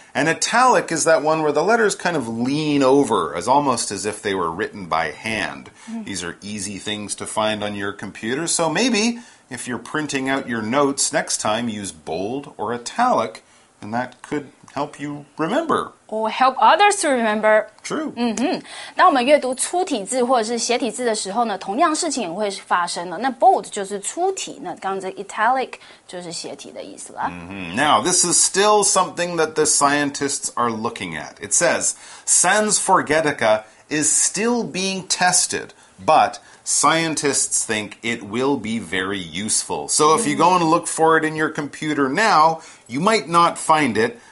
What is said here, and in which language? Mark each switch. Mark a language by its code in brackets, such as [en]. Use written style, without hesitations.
[en] And italic is that one where the letters kind of lean over, as almost as if they were written by hand. Mm-hmm. These are easy things to find on your computer. So maybe if you're printing out your notes next time, use bold or italic, and that could help you remember. Or help others to remember. True. Mm-hmm. [zh] 当我们阅读粗体字或者是斜体字的时候呢，同样事情也会发生了。那 bold 就是粗体，那刚才 italic 就是斜体的意思啦。 Mm-hmm. [en] Now, this is still something that the scientists are looking at. It says, Sans forgetica is still being tested, but scientists think it will be very useful. So if you go and look for it in your computer now, you might not find it.